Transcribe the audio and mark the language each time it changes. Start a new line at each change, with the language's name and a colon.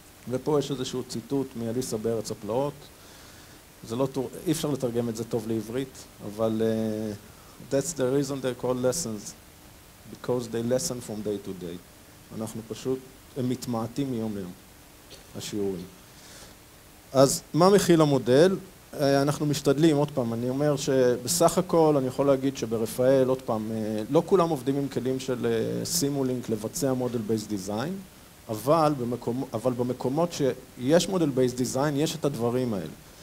Hebrew: ופה יש איזשהו ציטוט מאליסה בארץ הפלאות, אי אפשר לתרגם את זה טוב לעברית, אבל
English: that's the reason they call lessons. Because they lessen from day to day.
Hebrew: אנחנו פשוט, הם מתמעטים מיום ליום, השיעורים. אז מה מכיל המודל? אנחנו משתדלים, עוד פעם, אני אומר שבסך הכל אני יכול להגיד שברפאל, עוד פעם, לא כולם עובדים עם כלים של סימולינק לבצע מודל בייס דיזיין, אבל במקומות שיש מודל בייס דיזיין, יש את הדברים האלה.